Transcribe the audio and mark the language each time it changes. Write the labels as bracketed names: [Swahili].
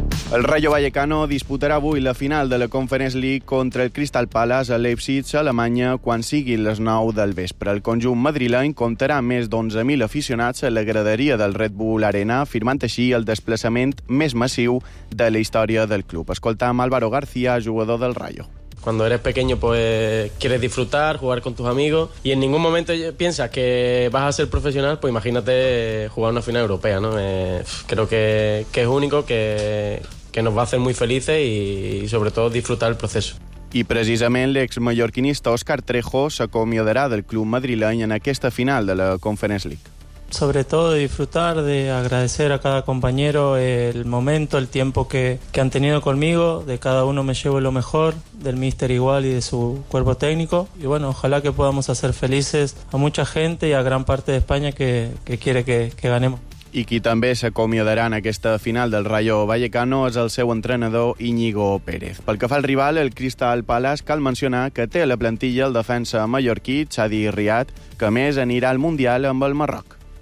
[Catalan] El Rayo Vallecano disputarà avui la final de la Conference League contra el Crystal Palace a Leipzig, a Alemanya, quan siguin les 9 del vespre. El conjunt madrileny comptarà més d'11.000 aficionats a la graderia del Red Bull Arena, firmant així el desplaçament més massiu de la història del club. Escoltam Álvaro García, jugador del Rayo. [Spanish] Cuando eres pequeño, pues quieres disfrutar, jugar con tus amigos, y en ningún momento piensas que vas a ser profesional, pues imagínate jugar una final europea, ¿no? Creo que es único, que nos va a hacer muy felices y sobre todo disfrutar el proceso. [Catalan] I precisament l'ex mallorquinista Òscar Trejo s'acomiadarà del club madrileny en aquesta final de la Conference League. [Spanish] Sobre todo disfrutar, de agradecer a cada compañero el momento, el tiempo que han tenido conmigo. De cada uno me llevo lo mejor, del míster igual y de su cuerpo técnico. Y bueno, ojalá que podamos hacer felices a mucha gente y a gran parte de España que quiere que ganemos. [Catalan] I qui també s'acomiadarà en aquesta final del Rayo Vallecano és el seu entrenador Íñigo Pérez. Pel que fa al rival, el Crystal Palace, cal mencionar que té a la plantilla el defensa mallorquí Xavi Riad, que a més anirà al Mundial amb el Marroc.